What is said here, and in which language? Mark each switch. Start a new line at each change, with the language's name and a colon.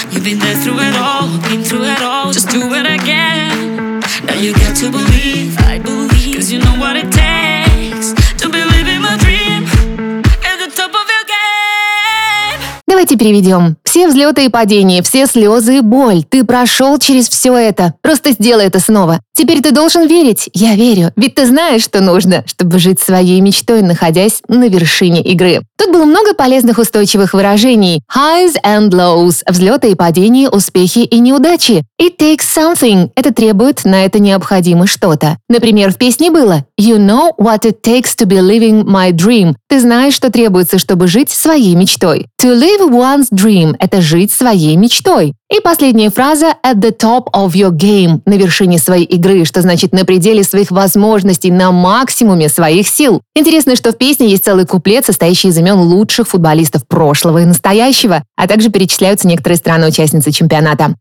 English: You've been there through it all, been through it all. Just do it again. Now you get to believe, I believe. 'Cause you know what it takes to believe in my dream. At the top of your game.
Russian: Давайте переведем. Все взлеты и падения, все слезы и боль. Ты прошел через все это. Просто сделай это снова. Теперь ты должен верить. Я верю. Ведь ты знаешь, что нужно, чтобы жить своей мечтой, находясь на вершине игры. Тут было много полезных устойчивых выражений.
English: Highs and lows.
Russian: Взлеты и падения, успехи и неудачи.
English: It takes something.
Russian: Это требует, на это необходимо что-то. Например, в песне было.
English: You know what it takes to be living my dream.
Russian: Ты знаешь, что требуется, чтобы жить своей мечтой.
English: To live one's dream.
Russian: Это жить своей мечтой. И последняя фраза
English: «at the top of your game»
Russian: – на вершине своей игры, что значит на пределе своих возможностей, на максимуме своих сил. Интересно, что в песне есть целый куплет, состоящий из имен лучших футболистов прошлого и настоящего, а также перечисляются некоторые страны-участницы чемпионата.